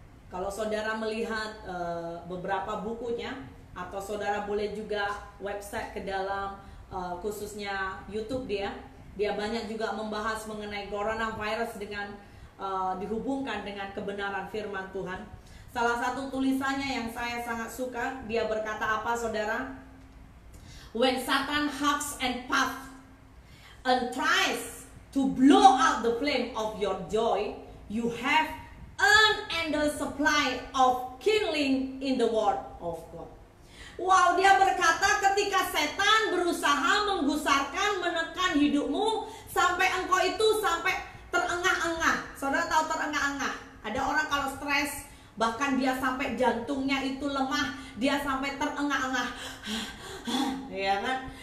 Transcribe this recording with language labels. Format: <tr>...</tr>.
<id>Kalau saudara melihat beberapa bukunya, atau saudara boleh juga website ke dalam khususnya YouTube dia. Dia banyak juga membahas mengenai coronavirus dengan dihubungkan dengan kebenaran firman Tuhan. Salah satu tulisannya yang saya sangat suka, dia berkata apa saudara?</id> <en>When Satan huffs and puffs and tries to blow out the flame of your joy, you have an endless supply of kindling in the word of God.</en> <id>Wow, dia berkata ketika setan berusaha menggusarkan, menekan hidupmu sampai engkau itu sampai terengah-engah. Saudara tahu terengah-engah? Ada orang kalau stres, bahkan dia sampai jantungnya itu lemah, dia sampai terengah-engah. Ya kan?</id>